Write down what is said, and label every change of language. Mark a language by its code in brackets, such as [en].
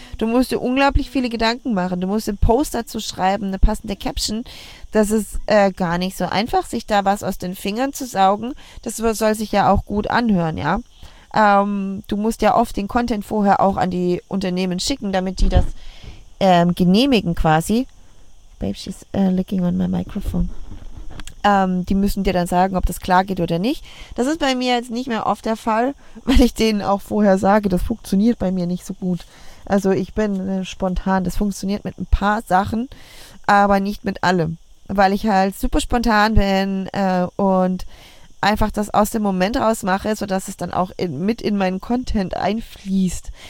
[de] Du musst dir unglaublich viele Gedanken machen. Du musst den Post dazu schreiben, eine passende Caption. Das ist gar nicht so einfach, sich da was aus den Fingern zu saugen. Das soll sich ja auch gut anhören, ja? Du musst ja oft den Content vorher auch an die Unternehmen schicken, damit die das genehmigen quasi. [en] Babe, she's licking on my microphone. [de] Die müssen dir dann sagen, ob das klar geht oder nicht. Das ist bei mir jetzt nicht mehr oft der Fall, weil ich denen auch vorher sage, das funktioniert bei mir nicht so gut. Also ich bin spontan, das funktioniert mit ein paar Sachen, aber nicht mit allem, weil ich halt super spontan bin und einfach das aus dem Moment raus mache, sodass es dann auch mit in meinen Content einfließt.